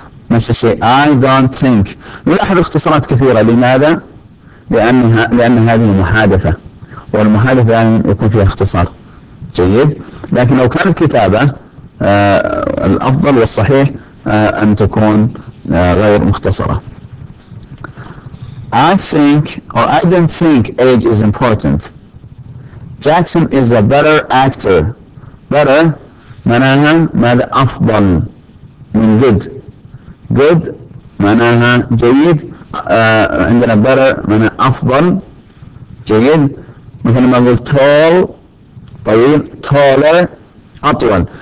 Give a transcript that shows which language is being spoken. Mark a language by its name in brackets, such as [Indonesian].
[Arabic] نفس الشيء [English] I don't think، [Arabic] نلاحظ اختصارات كثيرة، لماذا؟ لأن هذه محادثة والمحادثة يعني يكون فيها اختصار جيد، لكن لو كانت كتابة الأفضل والصحيح أن تكون غير مختصرة. [English] I think or I don't think age is important. Jackson is a better actor. [Arabic] Better معناها ماذا؟ أفضل من good. Good معناها جيد. عندنا better معناها أفضل جيد. مثل ما نقول tall طويل، taller أطول.